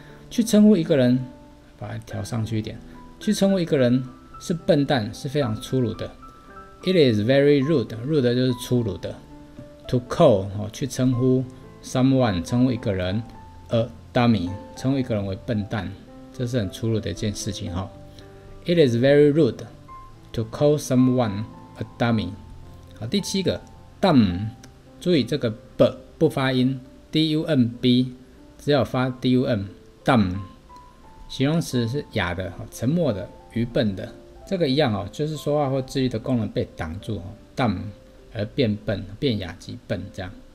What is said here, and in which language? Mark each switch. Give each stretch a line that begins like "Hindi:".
Chinese: 去称呼一个人，把它调上去一点，去称呼一个人是笨蛋是非常粗鲁的。
English: It is very rude. Rude
Chinese: 就是粗鲁的。
English: To call
Chinese: 去称呼 someone 称呼一个人
English: a dummy
Chinese: 称呼一个人为笨蛋，这是很粗鲁的一件事情。
English: It is very rude to call someone a dummy。
Chinese: 好，第七个 dumb， 注意这个 b 不发音 dumb， 只有发 dum dumb， 形容词是哑的沉默的愚笨的。这个一样就是说话或智力的功能被挡住 dumb 而变笨，变哑及笨这样。